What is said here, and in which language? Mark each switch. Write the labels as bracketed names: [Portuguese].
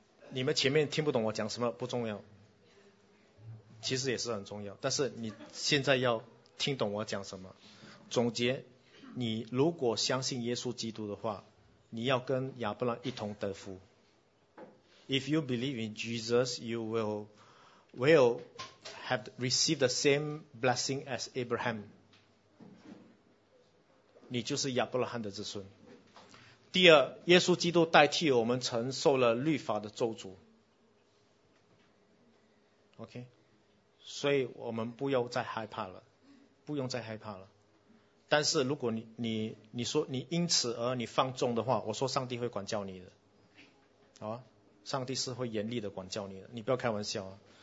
[Chinese] 你们前面听不懂我讲什么不重要，其实也是很重要，但是你现在要听懂我讲什么。总结，你如果相信耶稣基督的话，你要跟亚伯拉一同得福。 [English] If you believe in Jesus, you will have received the same blessing as Abraham. [Chinese] 你就是亚伯拉罕的子孙。第二，耶稣基督代替我们承受了律法的咒诅。 OK， 所以我们不要再害怕了，不用再害怕了。但是如果你说你因此而你放纵的话，我说上帝会管教你的，好啊，上帝是会严厉的管教你的，你不要开玩笑啊。